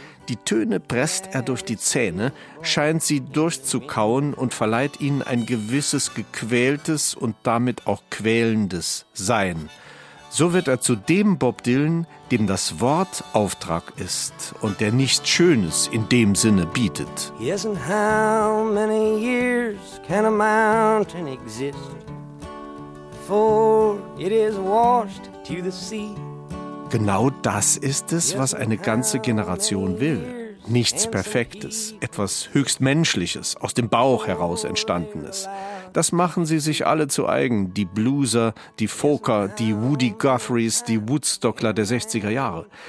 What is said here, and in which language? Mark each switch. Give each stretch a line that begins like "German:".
German: Die Töne presst er durch die Zähne, scheint sie durchzukauen und verleiht ihnen ein gewisses gequältes und damit auch quälendes Sein. So wird er zu dem Bob Dylan, dem das Wort Auftrag ist und der nichts Schönes in dem Sinne bietet.
English: Yes, and how many years can a mountain exist before it is washed to the sea?
German: Genau das ist es, was eine ganze Generation will. Nichts Perfektes, etwas Höchstmenschliches, aus dem Bauch heraus Entstandenes. Das machen sie sich alle zu eigen, die Blueser, die Folker, die Woody Guthries, die Woodstockler der 60er Jahre.